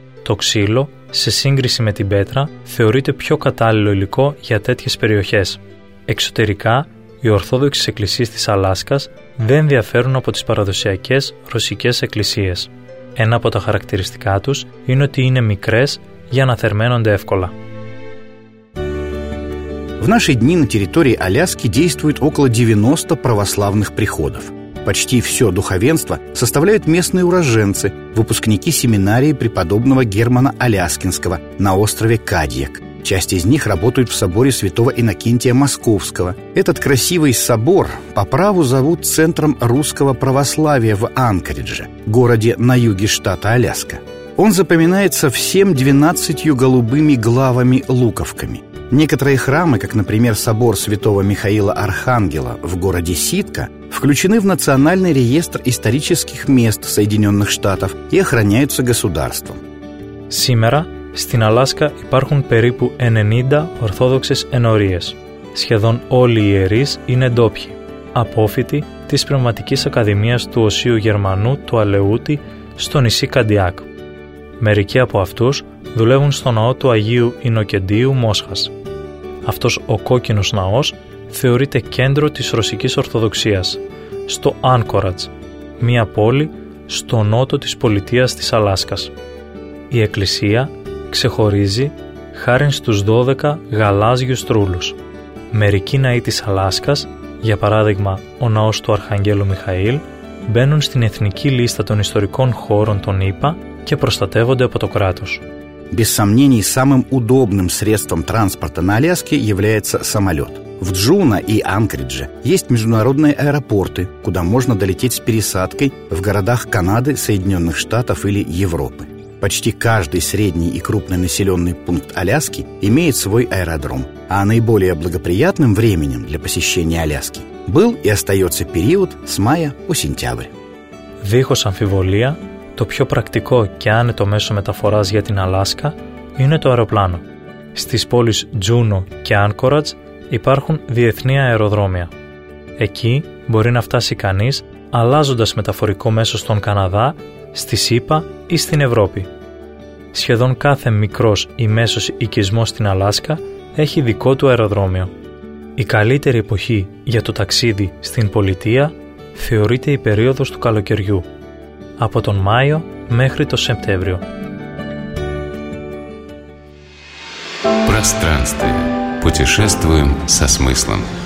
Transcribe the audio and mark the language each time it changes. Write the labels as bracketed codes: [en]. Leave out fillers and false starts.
[el] Το ξύλο, σε σύγκριση με την πέτρα, θεωρείται πιο κατάλληλο υλικό για τέτοιες περιοχές. Εξωτερικά, οι Ορθόδοξες Εκκλησίες της Αλάσκας δεν διαφέρουν από τις παραδοσιακές ρωσικές εκκλησίες. Ένα από τα χαρακτηριστικά τους είναι ότι είναι μικρές για να θερμαίνονται εύκολα. [ru] В наши дни на территории Аляски действует около 90 православных приходов. Почти все духовенство составляют местные уроженцы, выпускники семинарии преподобного Германа Аляскинского на острове Кадьяк. Часть из них работают в соборе святого Иннокентия Московского. Этот красивый собор по праву зовут центром русского православия в Анкоридже, городе на юге штата Аляска. Он запоминается всем 12 голубыми главами-луковками. Некоторые храмы, как, например, собор святого Михаила Архангела в городе Ситка, включены в Национальный реестр исторических мест Соединенных Штатов и охраняются государством. Сегодня в Аляске [el] υπάρχουν περίπου 90 ορθόδοξες ενορίες. Σχεδόν όλοι οι ιερείς είναι ντόπιοι, απόφοιτοι της Πνευματικής Ακαδημίας του Οσίου Γερμανού του Αλεούτη στο νησί Καντιάκ. Μερικοί από αυτούς δουλεύουν στο ναό του Αγίου Ινοκεντίου Μόσχας. Αυτός ο κόκκινος ναός θεωρείται κέντρο της Ρωσικής Ορθοδοξίας, στο Άνκορατς, μία πόλη στο νότο της πολιτείας της Αλάσκας. Η εκκλησία ξεχωρίζει χάρη στους 12 γαλάζιους τρούλους. Μερικοί ναοί της Αλάσκας, για παράδειγμα ο ναός του Αρχαγγέλου Μιχαήλ, μπαίνουν στην Εθνική Λίστα των Ιστορικών Χώρων των ΗΠΑ και προστατεύονται από το κράτος. [ru] Без сомнений, самым удобным средством транспорта на Аляске является самолет. В Джуно и Анкоридже есть международные аэропорты, куда можно долететь с пересадкой в городах Канады, Соединенных Штатов или Европы. Почти каждый средний и крупный населенный пункт Аляски имеет свой аэродром. А наиболее благоприятным временем для посещения Аляски был и остается период с мая по сентябрь. [el] Дихос амфиволия. Το πιο πρακτικό και άνετο μέσο μεταφοράς για την Αλάσκα είναι το αεροπλάνο. Στις πόλεις Τζούνο και Άνκορατς υπάρχουν διεθνή αεροδρόμια. Εκεί μπορεί να φτάσει κανείς αλλάζοντας μεταφορικό μέσο στον Καναδά, στη ΣΥΠΑ ή στην Ευρώπη. Σχεδόν κάθε μικρός ή μέσος οικισμός στην Αλάσκα έχει δικό του αεροδρόμιο. Η καλύτερη εποχή για το ταξίδι στην πολιτεία θεωρείται η περίοδος του καλοκαιριού. Από τον Μάιο μέχρι το Σεπτέμβριο. [ru] Пространствие. Путешествуем со смыслом.